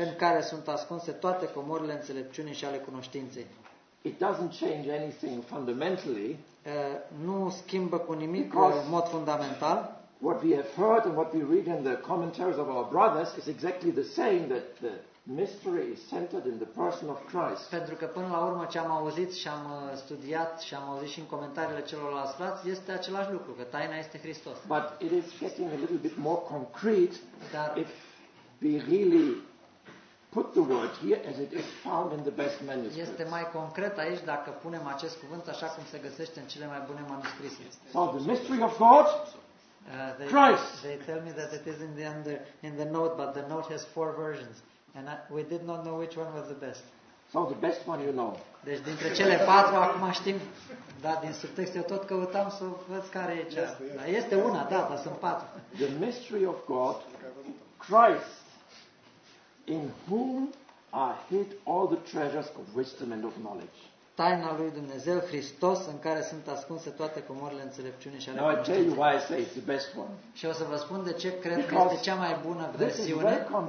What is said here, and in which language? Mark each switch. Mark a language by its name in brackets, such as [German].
[Romanian] În care sunt ascunse toate comorile înțelepciunii și ale cunoștinței. [English] It doesn't change anything fundamentally. [Romanian] Nu schimbă cu nimic în mod fundamental. [English] What we have heard and what we read in the commentaries of our brothers is exactly the same, that the mystery is centered in the person of Christ. [Romanian] Pentru că până la urmă ce am auzit și am studiat și am auzit și în comentariile celorlalți frați este același lucru, că taina este Hristos. [English] But it is getting a little bit more concrete. Dar if we really put the word here as it is found in the best manuscripts. [Romanian] Este mai concret aici dacă punem acest cuvânt așa cum se găsește în cele mai bune manuscrise. [English] So the mystery of God. Christ. They tell me that it is in the note, but the note has four versions, and we did not know which one was the best. So the best one you know. [Romanian] Deci dintre cele patru acum știm, dar din subtext eu tot căutam să văd care e cea. Dar este una, da, dar sunt patru. [English] The mystery of God, Christ, in whom are hid all the treasures of wisdom and of knowledge. [Romanian] Taina lui Dumnezeu, Hristos, în care sunt ascunse toate comorile înțelepciunii și ale cunoștinței. Și o să vă spun de ce cred că este cea mai bună versiune.